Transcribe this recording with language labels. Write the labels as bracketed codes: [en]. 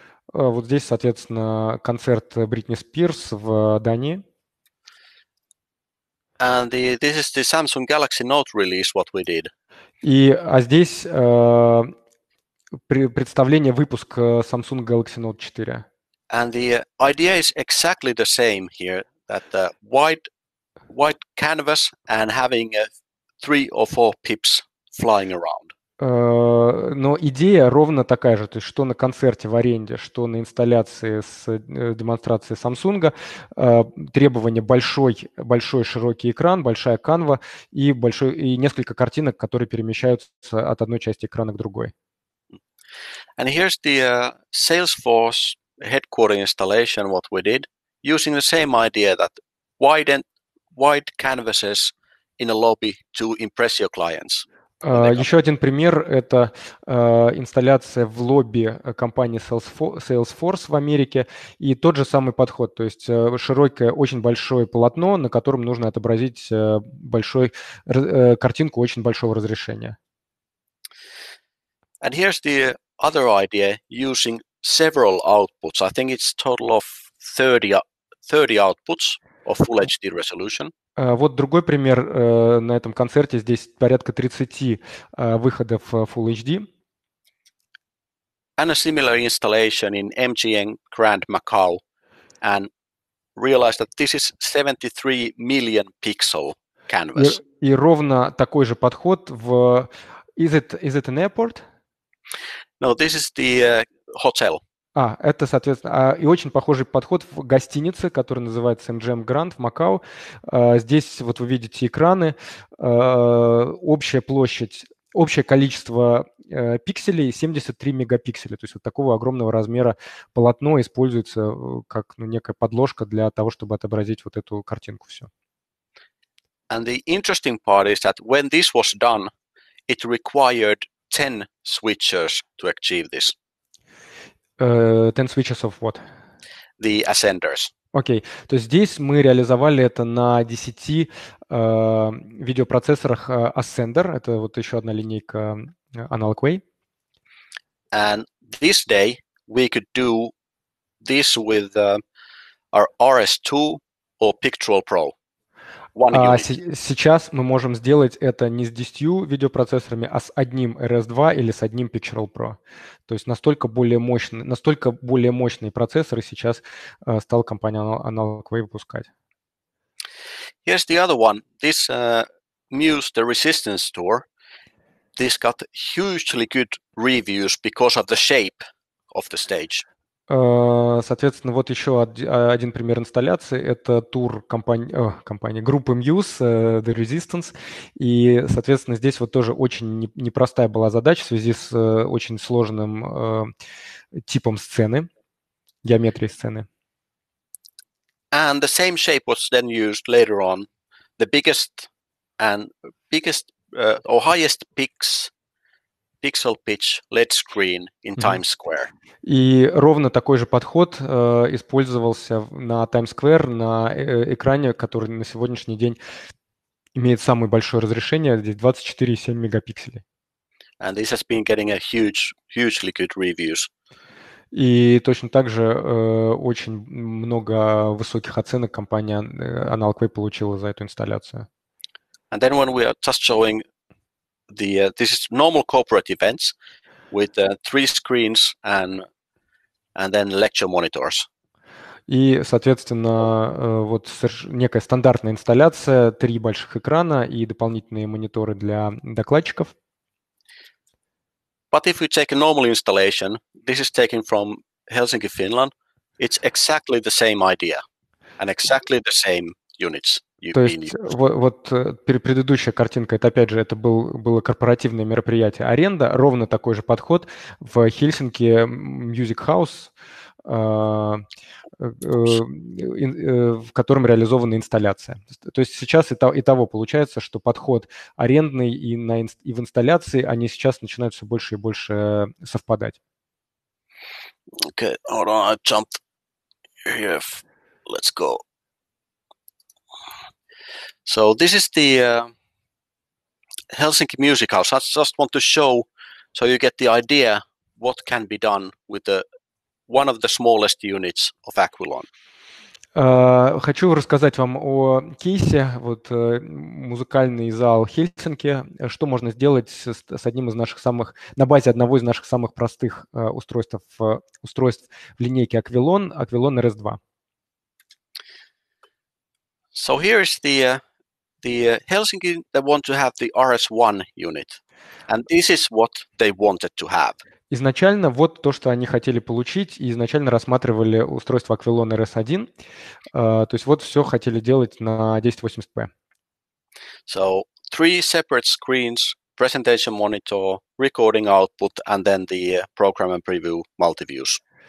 [ru] Вот здесь, соответственно, концерт Бритни Спирс в Дании. [en] And this is the Samsung Galaxy Note release, what we did. [ru] А здесь представление, выпуск Samsung Galaxy Note 4. [en] And the idea is exactly the same here, that the white canvas and having three or four pips flying around. [ru] Но идея ровно такая же, то есть что на концерте в аренде, что на инсталляции с демонстрацией Samsung, требование большой широкий экран, большая канва и несколько картинок, которые перемещаются от одной части экрана к другой. [en] And here's the Salesforce headquarter installation, what we did, using the same idea that wide canvases in a lobby to impress your clients. [ru] Еще один пример – это инсталляция в лобби компании Salesforce в Америке. И тот же самый подход, то есть широкое, очень большое полотно, на котором нужно отобразить картинку очень большого разрешения. [en] And here's the other idea, using several outputs. I think it's a total of 30 outputs of full HD resolution. [ru] Вот другой пример на этом концерте. Здесь порядка 30 выходов Full HD. [en] And a similar installation in MGM Grand Macau. And realize that this is 73 million pixel canvas. [ru] И ровно такой же подход в... [en] Is it an airport? No, this is the hotel. [ru] А, это, соответственно, и очень похожий подход в гостинице, которая называется MGM Grand в Макао. Здесь вот вы видите экраны, общая площадь, общее количество пикселей 73 мегапикселя. То есть вот такого огромного размера полотно используется как некая подложка для того, чтобы отобразить вот эту картинку всю. [en] And the interesting part is that when this was done, it required 10 switchers to achieve this. 10 switches of what? The ascenders. [ru] Окей. То есть здесь мы реализовали это на 10 видеопроцессорах Ascender. Это вот еще одна линейка Analog Way. [en] And this day we could do this with our RS2 or Picturall Pro. [ru] Сейчас мы можем сделать это не с 10 видеопроцессорами, а с одним RS2 или с одним Picturall Pro. То есть настолько более мощные процессоры сейчас стал компания Analog Way выпускать. [en] Here's the other one. This Muse, the resistance store, this got hugely good reviews because of the shape of the stage. [ru] Соответственно, вот еще один пример инсталляции. Это тур группы Muse, The Resistance. И, соответственно, здесь вот тоже очень непростая была задача в связи с очень сложным типом сцены, геометрией сцены. [en] And the same shape was then used later on. The highest pixel pitch LED screen in Times Square. [ru] И ровно такой же подход использовался на Times Square, на экране, который на сегодняшний день имеет самое большое разрешение, здесь 24,7 мегапикселей. [en] And this has been getting a hugely good reviews. [ru] И точно так же очень много высоких оценок компания Analog Way получила за эту инсталляцию. [en] And then when we are just showing this is normal corporate events with three screens and then lecture monitors. [ru] И, соответственно, вот некая стандартная инсталляция, три больших экрана и дополнительные мониторы для докладчиков. [en] But if we take a normal installation, this is taken from Helsinki, Finland, it's exactly the same idea and exactly the same units. [ru] То есть вот предыдущая картинка, это опять же, это было корпоративное мероприятие. Аренда, ровно такой же подход в Хельсинки Music House, в котором реализована инсталляция. То есть сейчас и того получается, что подход арендный и в инсталляции, они сейчас начинают все больше и больше совпадать. [en] Okay, hold on, I jumped here. Let's go. So this is the Helsinki Music House. I just want to show so you get the idea what can be done with one of the smallest units of Aquilon. [ru] Хочу рассказать вам о кейсе, вот музыкальный зал Хельсинки, что можно сделать с одним из наших самых, на базе одного из наших самых простых устройств в линейке Aquilon RS2. [en] So here is the the Helsinki, they want to have the RS1 unit. And this is what they wanted to have. [ru] Изначально вот то, что они хотели получить, и изначально рассматривали устройство Aquilon RS1. То есть вот все хотели делать на 1080p. [en] So, three separate screens, presentation monitor, recording output, and then the program and preview multi-views.